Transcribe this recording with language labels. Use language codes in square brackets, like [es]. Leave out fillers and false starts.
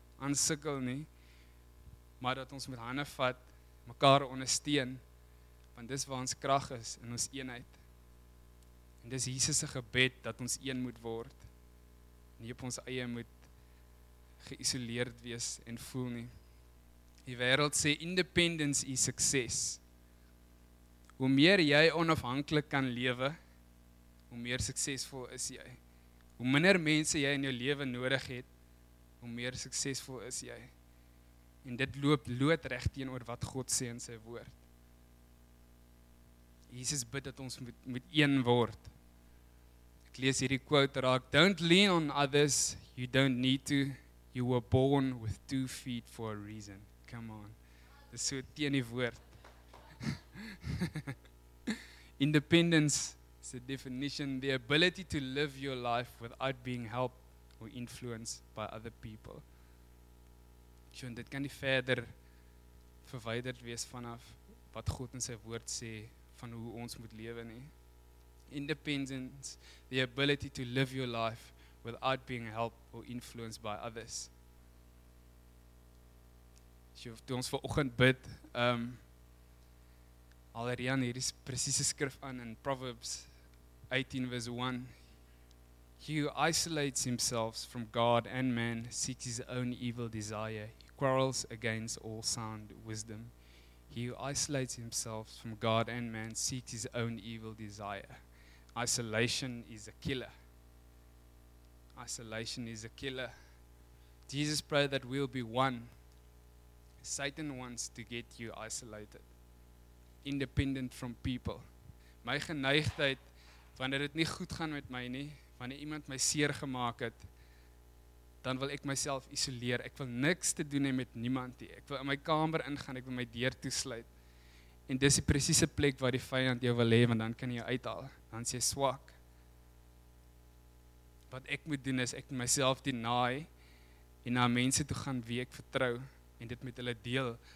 [af] aan sukkel nie, maar dat ons met hande vat, mekaar ondersteun, want dis waar ons krag is in ons eenheid. En dis Jesus se gebed dat ons een moet word, nie op ons eie moet geïsoleerd wees en voel nie. Die wêreld sê independence is sukses. Hoe meer jy onafhanklik kan lewe, hoe meer suksesvol is jy. Hoe minder mense jy in jou lewe nodig het, hoe meer suksesvol is jy. En dit loop loodreg teenoor wat God sê in sy woord. Jesus bid dat ons moet een word. Ek lees hierdie quote raak: [en] "Don't lean on others you don't need to. You were born with two feet for a reason." Come on. [af] Dis so teen die woord. [en] Independence is the definition, the ability to live your life without being helped or influenced by other people. [af] So, dit kan nie verder verwyderd wees vanaf wat God in sy woord sê van hoe ons moet lewe nie. [en] Independence, the ability to live your life without being helped or influenced by others. [af] So, toe ons vanoggend bid, Alrian, hier is presiese skrif aan in Proverbs 18 verse 1. [en] He who isolates himself from God and man seeks his own evil desire. He quarrels against all sound wisdom. He who isolates himself from God and man seeks his own evil desire. Isolation is a killer. Isolation is a killer. Jesus prayed that we'll be one. Satan wants to get you isolated, independent from people. [af] My geneigtheid, wanneer dit nie goed gaan met my nie, wanneer iemand my seer gemaak het, dan wil ek myself isoleer. Ek wil niks te doen hê met niemand nie. Ek wil in my kamer ingaan, ek wil my deur toesluit. En dis die presiese plek waar die vyand jou wil hê, want dan kan hy jou uithaal. Dan is jy swak. Wat ek moet doen is, ek moet myself deny en na mense toe gaan wie ek vertrou en dit met hulle deel.